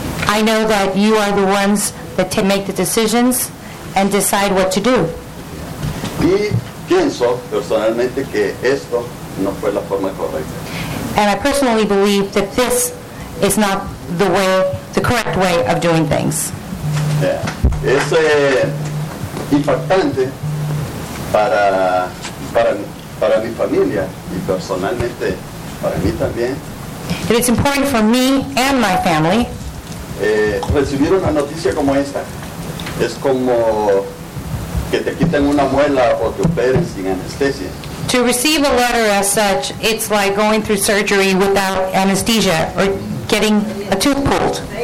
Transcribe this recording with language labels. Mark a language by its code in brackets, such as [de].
[en] I know that you are the ones that make the decisions and decide what to do. [es] Y pienso personalmente que esto no fue la forma correcta. [en] And I personally believe that this is not the way, the correct way of doing things. Yeah. [es] Es impactante para mi familia y personalmente para mí también. [en] It is important for me and my family. [es] Recibir una noticia como esta es como que te quiten una muela o te operen sin anestesia. [en] To receive a letter as such, it's like going through surgery without anesthesia or getting a tooth pulled.